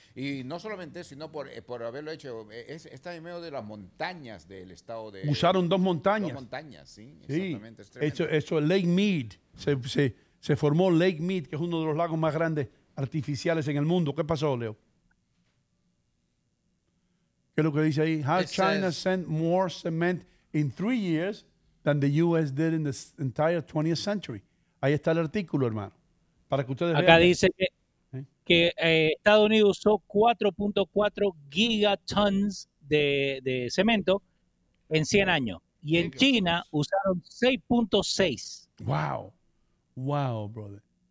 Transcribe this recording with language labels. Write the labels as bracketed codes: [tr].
[es] Y no solamente eso, sino por haberlo hecho, está en medio de las montañas del estado de... Usaron dos montañas. Dos montañas, sí, exactamente. Sí. Eso es Lake Mead. Se formó Lake Mead, que es uno de los lagos más grandes artificiales en el mundo. ¿Qué pasó, Leo? ¿Qué es lo que dice ahí? [en] How China sent more cement in 3 years than the U.S. did in the entire 20th century. [es] Ahí está el artículo, hermano. Para que ustedes acá vean. Dice que Estados Unidos usó 4.4 gigatons de cemento en 100 años. Y en China usaron 6.6. Wow. Wow, brother.